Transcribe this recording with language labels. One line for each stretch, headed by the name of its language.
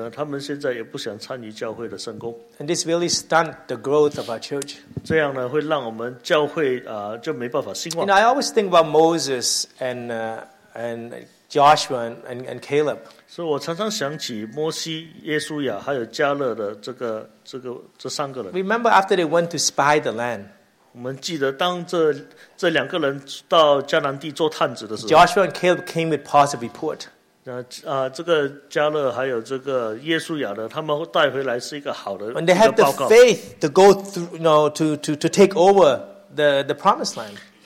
Chinese: 即使教会已经建好了，但是那些之前反对就是建堂的人呢，他们现在也不想参与教会的圣工。
English: And this really stunt the growth of our church.
Chinese: 这样呢，会让我们教会就没办法兴旺。
English: And I always think about Moses and Joshua and Caleb.
Chinese: 所以我常常想起摩西、耶稣亚还有加勒的这三个人。
English: Remember after they went to spy the land.
Chinese: 我们记得，当这两个人到迦南地做探子的时候，Joshua
English: and Caleb came with positive report.
Chinese: 这个加勒还有这个耶稣亚的，他们带回来是一个好的报告。
English: And they had the faith to go through, you know, to take over the promised land.